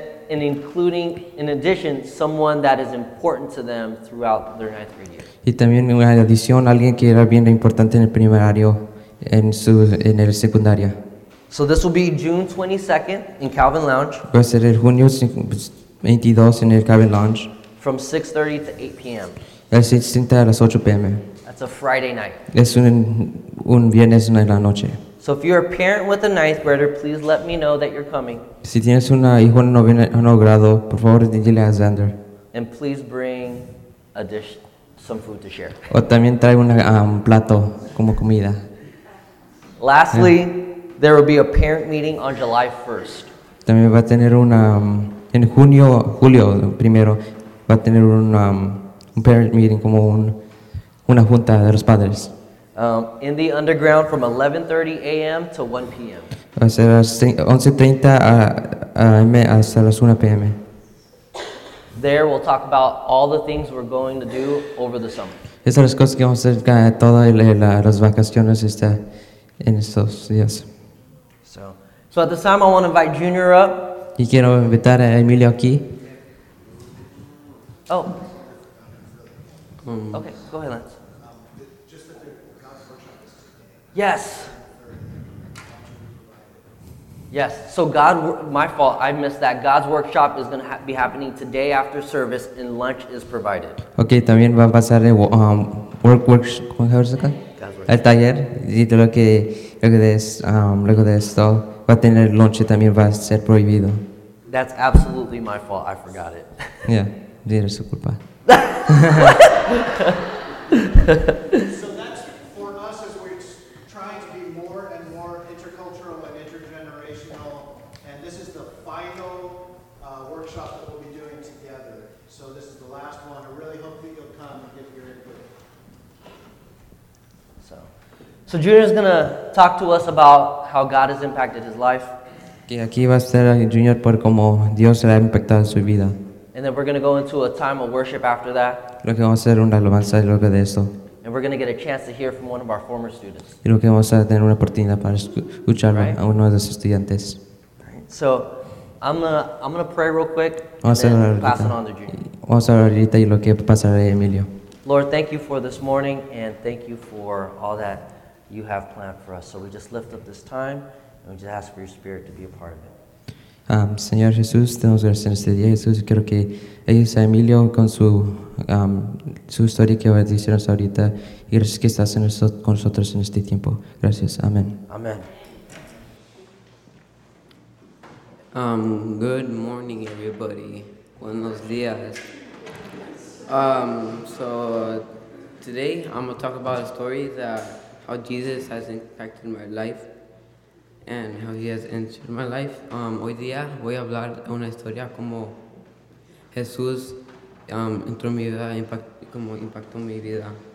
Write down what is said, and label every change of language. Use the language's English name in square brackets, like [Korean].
[English] And including, in addition, someone that is important to them throughout their ninth grade year. [Spanish] Y también una adición, alguien que era bien importante en el primer año, en el secundario. [English] So this will be June 22nd in Calvin Lounge. [Spanish] Va a ser el junio 22 en el Calvin Lounge. [English] From 6:30 to 8 p.m. [Spanish] El 6:30 a las 8 p.m. [English] That's a Friday night. [Spanish] Es un viernes en la noche. [English] So if you're a parent with a ninth grader, please let me know that you're coming. [Spanish] Si tienes un hijo en noveno grado, por favor dile a Xander. [English] And please bring a dish, some food to share. [Spanish] O también trae un plato como comida. [English] Lastly, there will be a parent meeting on July 1st. [Spanish] También va a tener una en junio, julio primero, va a tener un [English] parent meeting [Spanish] como una junta de los padres. [English] In the underground from 11:30 a.m. to 1 p.m. [Spanish] Va a ser 11:30 a.m. hasta las 1 p.m. [English] There we'll talk about all the things we're going to do over the summer. [Spanish] Esas son las cosas que vamos a hacer todas las vacaciones en estos días. [English] So at this time, I want to invite Junior up. [Spanish] Y quiero invitar a Emilio aquí. Oh. [English] Okay, go ahead, Lance. Yes. So God, my fault, I missed that. God's workshop is going to be happening today after service, and lunch is provided. [Spanish] Okay, también va a pasar el workshop. El taller, y lo que es luego de esto. Va a tener lonche también va a ser prohibido. That's absolutely my fault. I forgot it. Yeah, era su culpa. [English] So that's for us as we're trying to be more and more intercultural and intergenerational, and this is the final workshop that we'll be doing together. So this is the last one. I really hope that you'll come and give your input. So Junior's gonna talk to us about how God has impacted his life. [Spanish] Okay, aquí va a estar Junior por cómo Dios le ha impactado su vida. [English] And then we're gonna go into a time of worship after that. [Spanish] Lo que vamos a hacer una alabanza luego de esto. [English] And we're gonna get a chance to hear from one of our former students. [Spanish] Y lo que vamos a tener una oportunidad para escuchar a uno de los estudiantes. [English] So I'm gonna pray real quick. [Spanish] Vamos a orar ahorita. [English] Pass it on to Junior. [Spanish] Vamos a orar ahorita y lo que pasará a Emilio. [English] Lord, thank you for this morning and thank you for all that you have planned for us. So we just lift up this time and we just ask for your spirit to be a part of it. [Spanish] Señor Jesús, tenemos gracias en este día. Jesús, quiero que ellos a Emilio con su historia que va a decirnos ahorita y gracias que estás con nosotros en este tiempo. Gracias. Amén. Amén. [English] Good morning, everybody. [Spanish] Buenos días. [English] So today I'm going to talk about a story that how Jesus has impacted my life and how he has entered my life. [Spanish] Hoy día voy a hablar de una historia como Jesús entró en mi vida, como impactó mi vida.